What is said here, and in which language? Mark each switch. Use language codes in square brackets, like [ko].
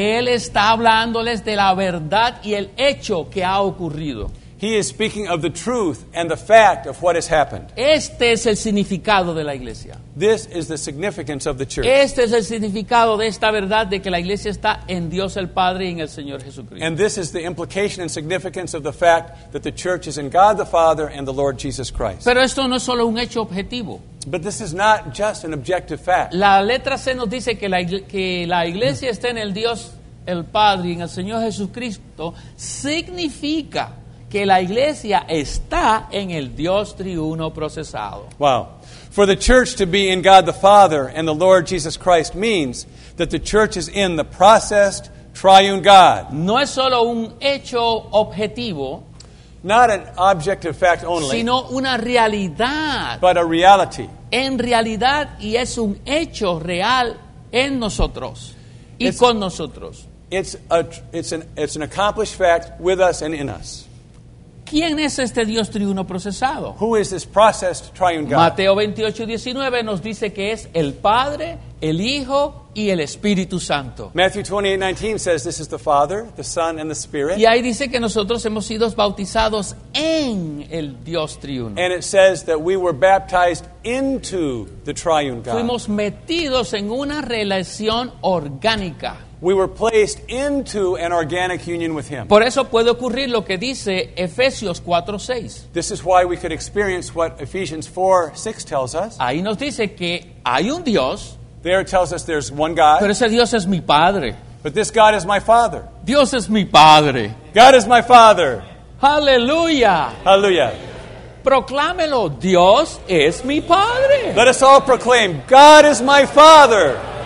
[es] Él está hablándoles de la verdad y el hecho que ha ocurrido. [en] He is speaking of the truth and the fact of what has happened. [es] Este es el significado de la iglesia. [en] This is the significance of the church. [es] Este es el significado de esta verdad de que la iglesia está en Dios el Padre y en el Señor Jesucristo. [en] And this is the implication and significance of the fact that the church is in God the Father and the Lord Jesus Christ. [es] Pero esto no es solo un hecho objetivo. [en] But this is not just an objective fact. [es] La letra C nos dice que la iglesia está en el Dios el Padre y en el Señor Jesucristo significa que la iglesia está en el Dios triuno procesado. [en] Wow. For the church to be in God the Father and the Lord Jesus Christ means that the church is in the processed triune God. [es] No es solo un hecho objetivo. [en] Not an objective fact only. [es] Sino una realidad. [en] But a reality. [es] En realidad y es un hecho real en nosotros y con nosotros. [en] It's an accomplished fact with us and in us. [es] ¿Quién es este Dios triuno procesado? [en] Who is this processed triune God? [es] Mateo 28:19 nos dice que es el Padre, el Hijo y el Espíritu Santo. [en] Matthew 28:19 says this is the Father, the Son and the Spirit. [es] Y ahí dice que nosotros hemos sido bautizados en el Dios triuno. [en] And it says that we were baptized into the triune God. [es] Fuimos metidos en una relación orgánica. [en] We were placed into an organic union with him. [es] Por eso puede ocurrir lo que dice Efesios 4:6. [en] This is why we could experience what Ephesians 4:6 tells us. [es] Ahí nos dice que hay un Dios. [en] There it tells us there's one God. [es] Pero ese Dios es mi Padre. [en] But this God is my Father. [es] Dios es mi Padre. [en] God is my Father. Hallelujah. Hallelujah. [es] Proclámelo, Dios es mi Padre. [en] Let us all proclaim, God is my Father.